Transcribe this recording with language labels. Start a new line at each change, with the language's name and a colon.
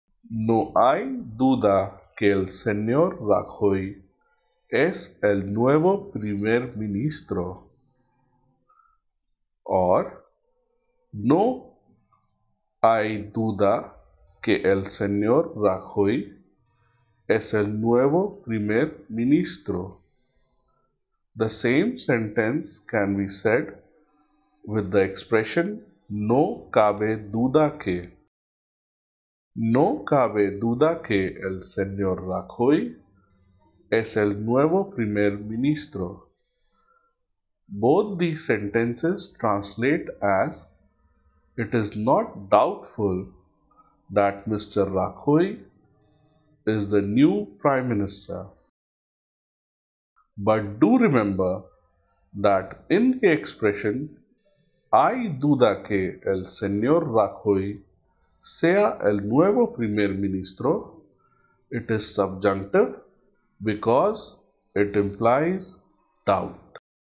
Spanish: No hay duda que el señor Rajoy es el nuevo primer ministro. Or, no hay duda que el señor Rajoy es el nuevo primer ministro.
English: The same sentence can be said with the expression
Spanish: no cabe duda que. No cabe duda que el señor Rajoy es el nuevo primer ministro.
English: Both these sentences translate as, it is not doubtful that Mr. Rajoy is the new prime minister. But do remember that in the expression,
Spanish: hay duda que el señor Rajoy sea el nuevo primer ministro,
English: it is subjunctive because it implies doubt.